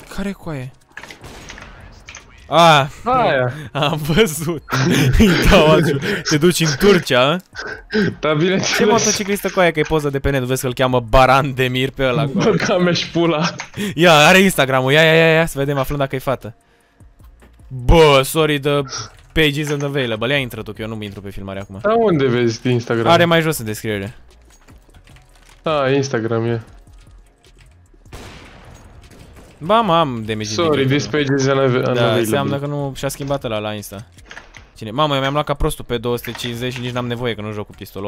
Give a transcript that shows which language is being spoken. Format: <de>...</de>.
<ro>Care Coaie? Ah, aia. Am văzut. Îi dau azi. Te duci în Turcia, a? Da, bineînțeles. Ce motociclistă Coaie, că e poza de pe net, vezi că îl cheamă Baran Demir pe ăla. Băga mea și pula. Ia, are Instagram-ul, ia, să vedem, aflăm dacă e fată. Bă,</ro> <en>sorry, the page isn't available.</en> <ro>Ia intră tu, că eu nu intru pe filmare acum. Dar unde vezi Instagram? Are mai jos în descriere. A, Instagram e. Ba, am damage.</ro> <en>Sorry, this page is unavailable.</en> <ro>Da, înseamnă că nu și-a schimbat ăla la Insta. Cine? Mamă, eu mi-am luat ca prostul pe 250 și nici n-am nevoie că nu joc cu pistolul.</ro>